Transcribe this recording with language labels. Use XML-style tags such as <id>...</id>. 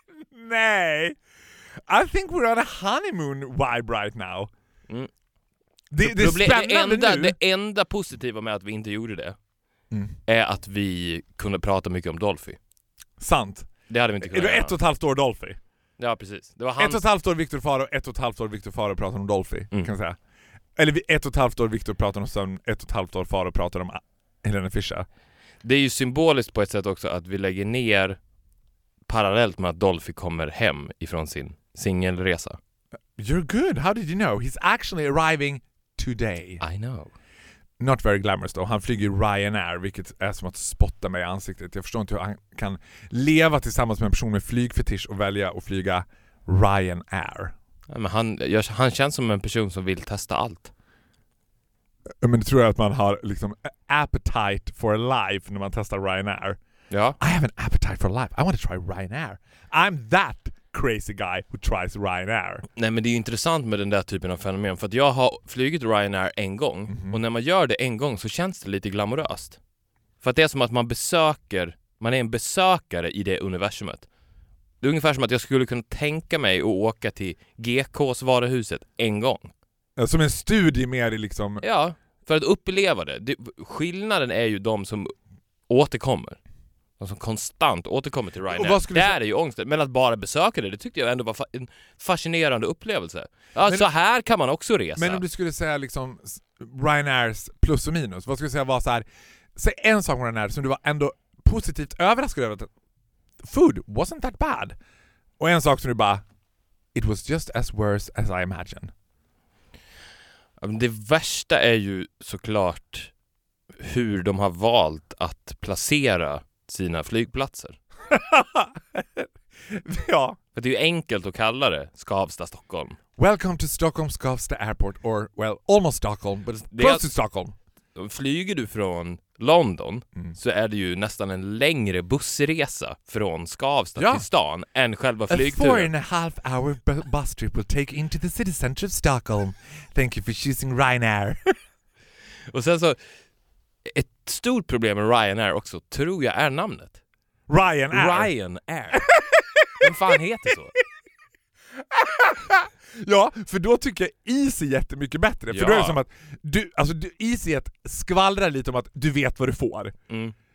<en>Nej. I think we're on a honeymoon vibe right now. Mm.</en> <sv>Det är spännande det enda positiva med att vi inte gjorde det är att vi kunde prata mycket om Dolphy. Sant. Det hade vi inte kunnat göra. Är du 1,5 år Dolphy? Ja, precis. Det var han... 1,5 år Viktor Faro, 1,5 år Viktor Faro pratar om Dolphy, kan jag säga. Eller 1,5 år Viktor pratar om sömn, 1,5 år Faro pratar om Helena Fischer. Det är ju symboliskt på ett sätt också att vi lägger ner parallellt med att Dolphy kommer hem ifrån sin singelresa.</sv> <en>You're good. How did you know? He's actually arriving today. I know. Not very glamorous though.</en> <sv>Han flyger Ryanair, vilket är som att spotta mig i ansiktet. Jag förstår inte hur han kan leva tillsammans med en person med flygfetisch och välja att flyga Ryanair. Ja, men han känns som en person som vill testa allt. Men det tror jag att man har liksom</sv> <en>appetite for life</en> <sv>när man testar Ryanair. Ja.</sv> <en>I have an appetite for life. I want to try Ryanair. I'm that crazy guy who tries Ryanair.</en> <sv>Nej, men det är ju intressant med den där typen av fenomen, för att jag har flygit Ryanair en gång och när man gör det en gång så känns det lite glamoröst. För att det är som att man är en besökare i det universumet. Det är ungefär som att jag skulle kunna tänka mig att åka till GKs varuhuset en gång. Som en studie mer liksom. Ja, för att uppleva det. Skillnaden är ju de som återkommer. Någon som konstant återkommer till Ryanair. Där är ju ångest. Men att bara besöka det tyckte jag ändå var en fascinerande upplevelse. Ja, men, så här kan man också resa. Men om du skulle säga liksom Ryanairs plus och minus. Vad skulle du säga var så här. Säg en sak med Ryanair som du var ändå positivt överraskad över.</sv> <en>Food wasn't that bad.</en> <sv>Och en sak som du bara.</sv> <en>It was just as worse as I imagined.</en> <sv>Det värsta är ju såklart hur de har valt att placera sina flygplatser. Ja. För det är ju enkelt att kalla det Skavsta Stockholm.</sv> <en>Welcome to Stockholm Skavsta Airport, or well, almost Stockholm, but it's close to Stockholm.</en> <sv>Flyger du från London så är det ju nästan en längre bussresa från Skavsta till stan än själva flygturen.</sv> <en>A 4.5-hour bus trip will take you into the city center of Stockholm. Thank you for choosing Ryanair.</en> <sv>Och sen så, ett stort problem med Ryanair också, tror jag, är namnet. Ryanair. Ryanair. Vem fan heter så? Ja, för då tycker jag EasyJet är mycket bättre. För då är det som att du, alltså du, EasyJet skvallrar lite om att du vet vad du får. Mm.</sv>